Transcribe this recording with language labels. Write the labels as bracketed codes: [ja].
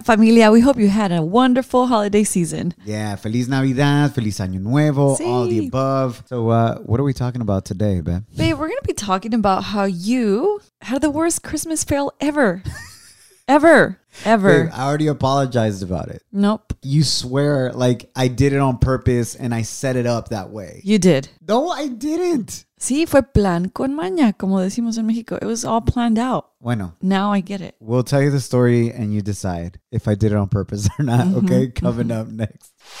[en] Familia, we hope you had a wonderful holiday season. Yeah, [es] Feliz Navidad, Feliz Año Nuevo, sí. [en] All the above. So what are we talking about today, babe? Babe, we're going to be talking about how you had the worst Christmas fail ever. ever. Babe, I already apologized about it. Nope. You swear, like, I did it on purpose and I set it up that way. You did. No, I didn't. [es] Sí, fue plan con maña, como decimos en México. [en] It was all planned out. [es] Bueno. [en] Now I get it. We'll tell you the story and you decide if I did it on purpose or not, okay? Coming up next.